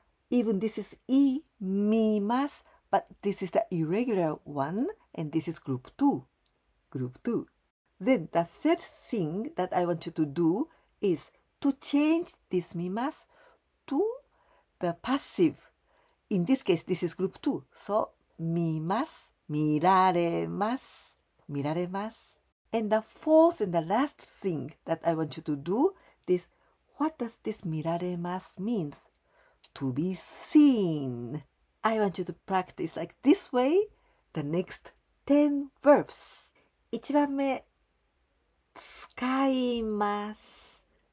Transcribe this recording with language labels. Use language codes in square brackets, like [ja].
[en] Even this is E, 見ます.But this is the irregular one, and this is group 2. Group 2. Then the third thing that I want you to do is to change this 見ます to the passive. In this case, this is group 2. [ja] So, 見ます、見られます、見られます。 [en] And the fourth and the last thing that I want you to do is, what does this 見られます means? To be seen. I want you to practice like this way, the next 10 verbs. [ja] 1番目、使います。